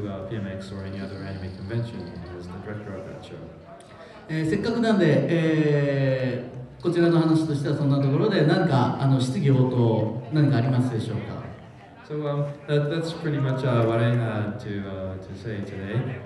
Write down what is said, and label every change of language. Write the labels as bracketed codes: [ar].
[en] PMX or any other anime convention as the director of that show. [ja] こちらの話としてはそんなところで何か質疑応答何かありますでしょうか? [en] So that's pretty much what I had to say today.